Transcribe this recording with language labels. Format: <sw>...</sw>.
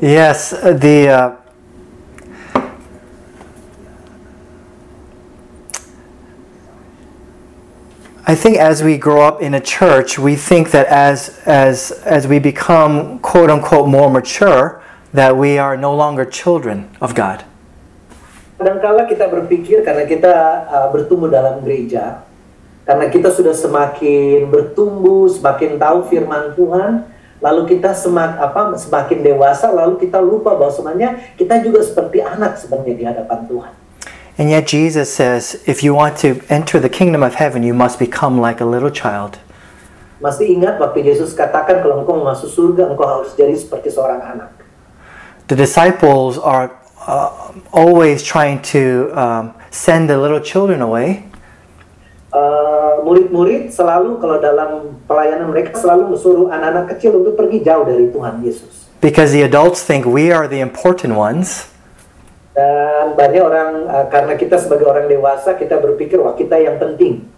<en>Yes, I think as we grow up in a church, we think that as we become quote unquote more mature, that we are no longer children of God.</en> <id>Kadangkala kita berpikir karena kita bertumbuh dalam gereja, karena kita sudah semakin bertumbuh, semakin tahu firman Tuhan, lalu kita semakin dewasa, lalu kita lupa bahwa sebenarnya kita juga seperti anak sebenarnya di hadapan Tuhan.</id> <en>And yet Jesus says, if you want to enter the kingdom of heaven, you must become like a little child.</en> <id>Masih ingat waktu Yesus katakan kalau engkau mau masuk surga, engkau harus jadi seperti seorang anak.</id> <en>The disciples are always trying to send the little children away.</en> <id>Murid-murid selalu kalau dalam pelayanan mereka selalu suruh anak-anak kecil untuk pergi jauh dari Tuhan Yesus.</id> <en>Because the adults think we are the important ones.</en> <id>Dan banyak orang karena kita sebagai orang dewasa kita berpikir wah kita yang penting.</id>